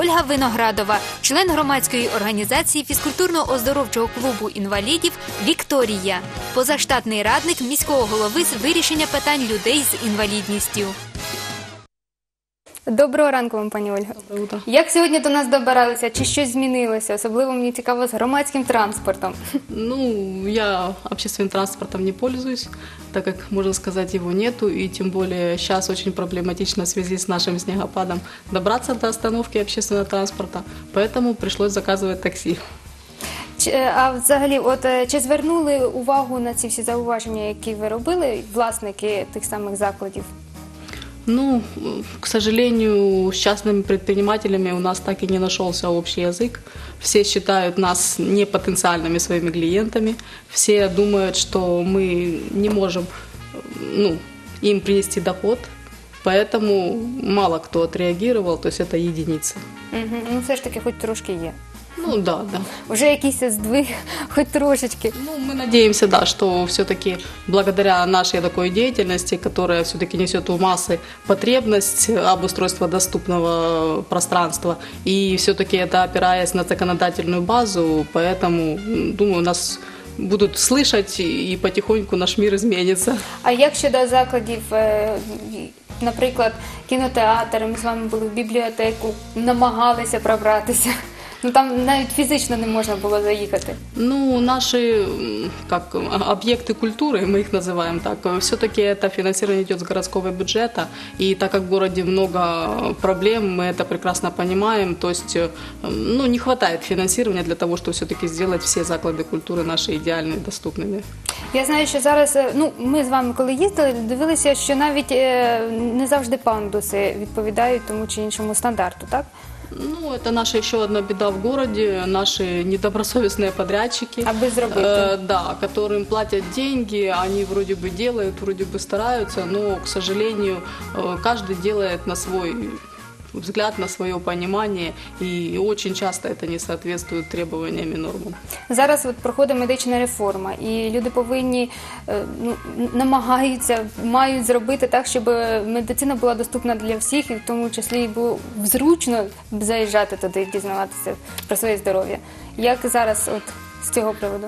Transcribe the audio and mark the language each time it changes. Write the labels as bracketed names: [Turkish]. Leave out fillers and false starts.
[Ukrainian] Виноградова, член громадської організації фізкультурно-оздоровчого клубу інвалідів «Вікторія», позаштатний радник міського голови з вирішення питань людей з інвалідністю. Доброго ранку вам, пані Ольга. Доброго. Як сьогодні до нас добиралися? Чи щось змінилося? Особливо мені цікаво з громадським транспортом. [Russian] Ну, я общественным транспортом не пользуюсь, так как, можно сказать, его нету. И тем более сейчас очень проблематично в связи с нашим снегопадом добраться до остановки общественного транспорта. Поэтому пришлось заказывать такси. [Ukrainian] А взагалі, от чи звернули увагу на ці всі зауваження, які ви робили, власники тих самих закладів? [Russian] Ну, к сожалению, с частными предпринимателями у нас так и не нашелся общий язык. Все считают нас непотенциальными своими клиентами. Все думают, что мы не можем, ну, им принести доход. Поэтому мало кто отреагировал, то есть это единицы. [Ukrainian] Угу. Ну, все ж таки, хоть трошки є. [Russian] Ну, да, да. [Ukrainian] Уже якийсь здвиг, хоть трошечки. [Russian] Ну, мы надеемся, да, что все-таки благодаря нашей такой деятельности, которая все-таки несет в массы потребность обустройства доступного пространства, и все-таки это опираясь на законодательную базу, поэтому, думаю, нас будут слышать, и потихоньку наш мир изменится. [Ukrainian] А як щодо закладів, наприклад, кінотеатр, ми з вами були в бібліотеку, намагалися пробратися? Ну там навіть фізично не можна було заїхати. Ну, наші как об'єкти культури, ми їх називаємо так. Все-таки це фінансування йде з міського бюджету, і так як в місті багато проблем, ми це прекрасно розуміємо, тобто, ну, не вистачає фінансування для того, щоб все-таки зробити всі заклади культури наші ідеально доступними. Я знаю, що зараз, ну, ми з вами коли їздили, дивилися, що навіть не завжди пандуси відповідають тому чи іншому стандарту, так? [Russian] Ну, это наша еще одна беда в городе, наши недобросовестные подрядчики, да, которым платят деньги, они вроде бы делают, вроде бы стараются, но, к сожалению, каждый делает на свой взгляд, на свое понимание, и очень часто это не соответствует требованиям и нормам. [Ukrainian] Зараз [Russian] вот проходит [Ukrainian] медичная реформа, и люди повинні, намагаються, мають зробити так, щоб медицина була доступна для всіх, і в тому числі було зручно заїжджати туди, дізнаватися про своє здоров'я. Як зараз от [Russian] с этого привода?